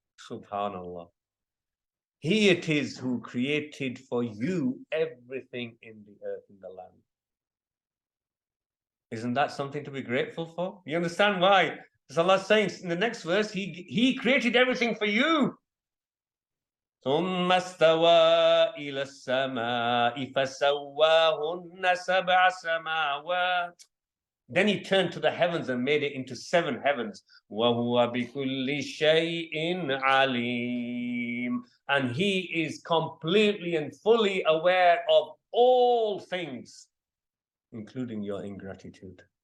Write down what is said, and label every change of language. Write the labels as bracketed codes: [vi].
[en] Subhanallah. He it is who created for you everything in the earth, in the land. Isn't that something to be grateful for? You understand why? As Allah says in the next verse, He created everything for you. [ar] ثم استوى إلى السماء فسواهن سبع سماوات. [en] Then He turned to the heavens and made it into seven heavens. [ar] وَهُوَ بِكُلِّ شَيْءٍ عَلِيمٍ. [en] And He is completely and fully aware of all things, including your ingratitude.